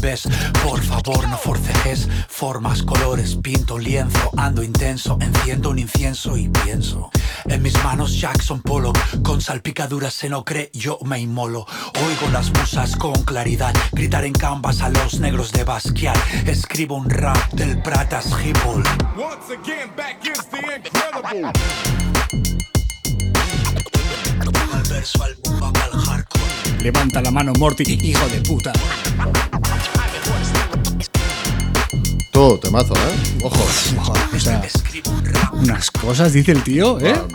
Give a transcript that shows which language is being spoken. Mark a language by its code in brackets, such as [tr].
[es] Ves, por favor no forcejes, formas, colores, pinto lienzo. Ando intenso, enciendo un incienso y pienso en mis manos Jackson Pollock. Con salpicaduras se no cree, yo me inmolo. Oigo las musas con claridad gritar en canvas a los negros de Basquiat. Escribo un rap del Pratas Hip Hop. [en] Once again back is the incredible. [es] Al verso, al boom, al hardcore. Levanta la mano Morty, hijo de puta. Todo temazo, ¿eh? Ojo. Unas cosas dice el tío, ¿eh?